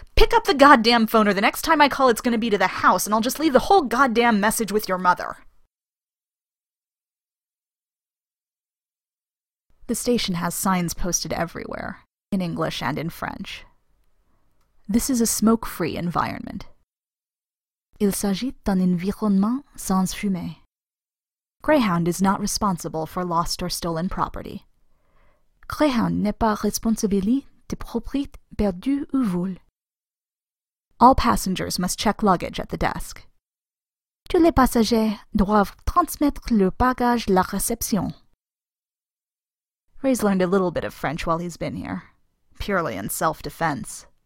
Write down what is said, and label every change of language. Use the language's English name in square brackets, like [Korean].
[English] Pick up the goddamn phone, or the next time I call, it's gonna be to the house, and I'll just leave the whole goddamn message with your mother. The station has signs posted everywhere, in English and in French. This is a smoke-free environment. [French] Il s'agit d'un environnement sans fumée. [English] Greyhound is not responsible for lost or stolen property. [French] Greyhound n'est pas responsable de propriété perdue ou volée. [English] All passengers must check luggage at the desk. [French] Tous les passagers doivent transmettre leur bagage à la réception. [English] Ray's learned a little bit of French while he's been here, purely in self-defense.